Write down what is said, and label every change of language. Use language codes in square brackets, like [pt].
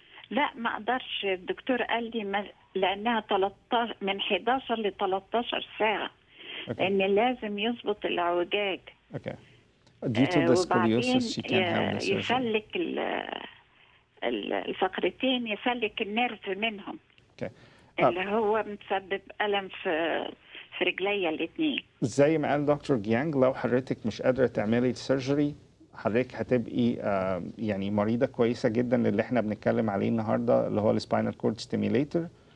[ar] لا ما اقدرش، الدكتور قال لي لانها 13 من 11 ل 13 ساعه. لان لازم يظبط الاعوجاج. اوكي. [en] Due to the scoliosis she can't have the surgery. [ar] يفلك الفقرتين، يسلك النيرف منهم. اللي هو مسبب ألم في رجليا الاثنين. زي ما قال دكتور جيانج، لو حضرتك مش قادرة تعملي السيرجري، حضرتك هتبقي يعني مريضة كويسة جدا للي احنا بنتكلم عليه النهارده، اللي هو السباينال كورد ستيميليتر.